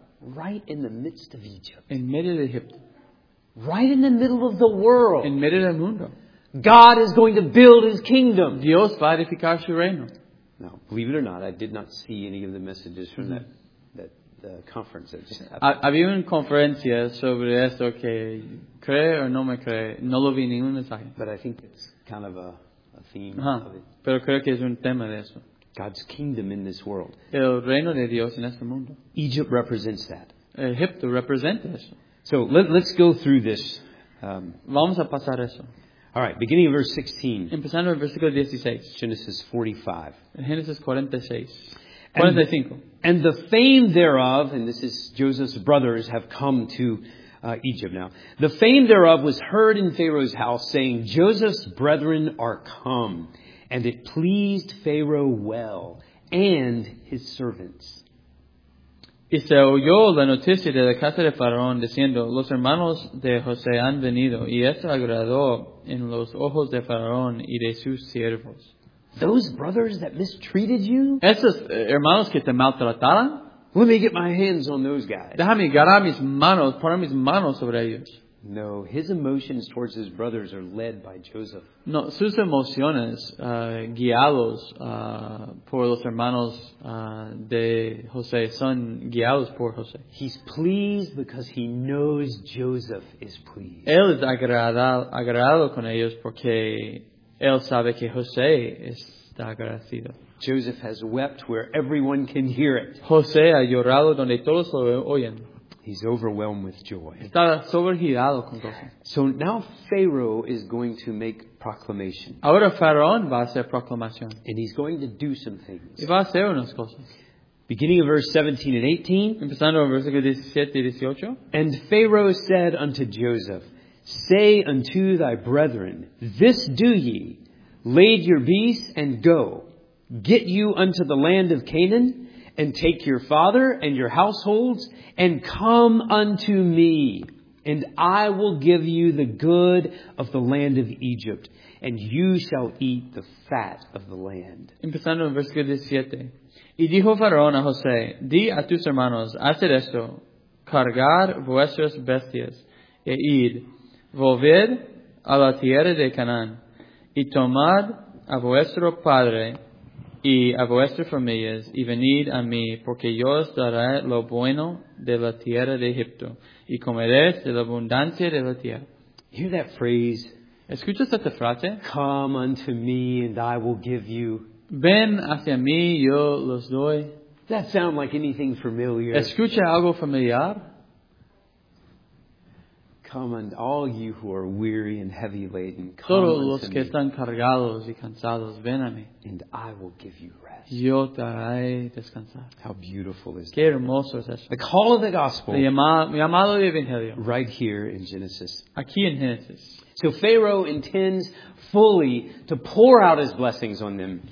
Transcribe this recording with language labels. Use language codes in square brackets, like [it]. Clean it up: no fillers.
[en] Right in the midst of Egypt. [es] En medio de Egipto. [en] Right in the middle of the world. [es] En medio del mundo. [en] God is going to build his kingdom. [es] Dios va a edificar su reino. [en] Now, believe it or not, I did not see any of the messages from that conference that just happened. [es] Había una conferencia sobre esto que cree o no me cree. No lo vi ningún mensaje. [en] But I think it's kind of a theme. [es] Pero creo que es un tema de eso. [en] God's kingdom in this world. [es] El reino de Dios en este mundo. [en] Egypt represents that. [es] Egipto representa eso. [en] So let's go through this. [es] Vamos a pasar eso. [en] All right, beginning of verse 16. [es] Empezando en versículo 16. [en] Genesis 45. [es] Genesis 46. 45. [en] And the fame thereof, and this is Joseph's brothers have come to Egypt now. The fame thereof was heard in Pharaoh's house, saying, Joseph's brethren are come. And it pleased Pharaoh well, and his servants. [es] Y se oyó la noticia de la casa de Faraón diciendo, los hermanos de José han venido, y esto agradó en los ojos de Faraón y de sus siervos. [en] Those brothers that mistreated you? [es] Esos hermanos que te maltrataron? [en] Let me get my hands on those guys. [es] Déjame agarrar mis manos, poner mis manos sobre ellos. [en] No, his emotions towards his brothers are led by Joseph. [es] No, sus emociones guiados por los hermanos de José son guiados por José. [en] He's pleased because he knows Joseph is pleased. [es] Él es agradado con ellos porque él sabe que José está agradecido. [en] Joseph has wept where everyone can hear it. [es] José ha llorado donde todos lo oyen. [en] He's overwhelmed with joy. [es] Está sobregirado con gozo. [en] So now Pharaoh is going to make proclamation. [es] Ahora Faraón va a hacer proclamación. [en] And he's going to do some things. [es] Y va a hacer unas cosas. [en] Beginning of verse 17 and 18. [es] Empezando en versículo 17 y 18. [en] And Pharaoh said unto Joseph, say unto thy brethren, this do ye, lade your beasts and go, get you unto the land of Canaan, and take your father and your households and come unto me, and I will give you the good of the land of Egypt, and you shall eat the fat of the land. [es] Empezando en versículo 17. Y dijo Faraón a José, di a tus hermanos, haced esto, cargar vuestras bestias, e id, volved a la tierra de Canaán, y tomad a vuestro padre, y a vuestras familias, y venid a mí, porque yo os daré lo bueno de la tierra de Egipto, y comeréis de la abundancia de la tierra. [en] Hear that phrase? [es] ¿Escuchas esta frase? [en] Come unto me and I will give you. [es] Ven hacia mí, yo los doy. [en] Does that sound like anything familiar? [es] ¿Escucha algo familiar? [en] Come and all you who are weary and heavy laden, come unto me. [es] Todos los que están cargados y cansados, ven a mí. [en] And I will give you rest. [es] Yo te haré descansar. [en] How beautiful is [es] Qué hermoso [en] that? [es] Es eso. [en] The call of the gospel. [es] El llamado del evangelio. [en] Right here in Genesis. [es] Aquí en Génesis. [en] So Pharaoh intends fully to pour out his blessings on them.